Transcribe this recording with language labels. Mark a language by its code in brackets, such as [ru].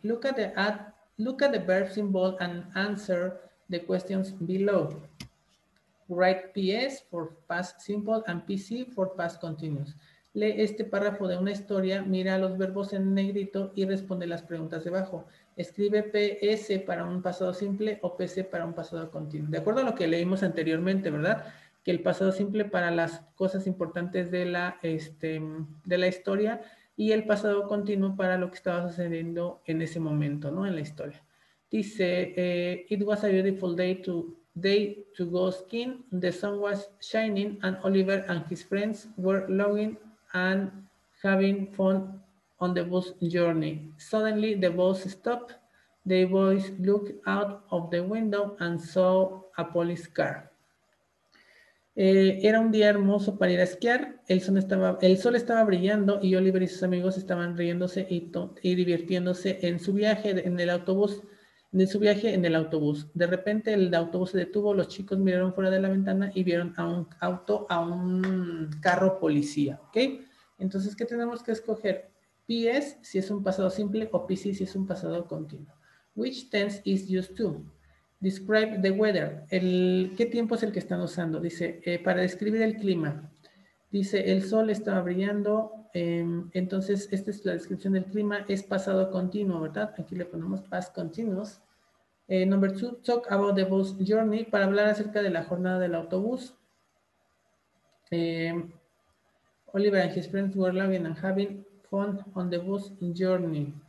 [en] Look at the verbs involved and answer the questions below. Write PS for past simple and PC for past continuous. [es] Lee este párrafo de una historia, mira los verbos en negrito y responde las preguntas debajo. Escribe PS para un pasado simple o PC para un pasado continuo. De acuerdo a lo que leímos anteriormente, ¿verdad? Que el pasado simple para las cosas importantes de la historia y el pasado continuo para lo que estaba sucediendo en ese momento, ¿no? En la historia. Dice, [en] it was a beautiful day to go skiing, the sun was shining and Oliver and his friends were logging and having fun on the bus journey. Suddenly the bus stopped, the boys looked out of the window and saw a police car. [es] Era un día hermoso para ir a esquiar, el sol estaba brillando y Oliver y sus amigos estaban riéndose y divirtiéndose en su viaje en el autobús. De repente el autobús se detuvo, los chicos miraron fuera de la ventana y vieron a un carro policía, ¿ok? Entonces, ¿qué tenemos que escoger? PS si es un pasado simple o PC si es un pasado continuo. [en] Which tense is used to? Describe the weather. [es] ¿Qué tiempo es el que están usando? Dice, para describir el clima. Dice, el sol estaba brillando. Entonces, esta es la descripción del clima. Es pasado continuo, ¿verdad? Aquí le ponemos [en] past continuous. Number two, talk about the bus journey. [es] Para hablar acerca de la jornada del autobús. [en] Oliver and his friends were loving and having fun on the bus journey.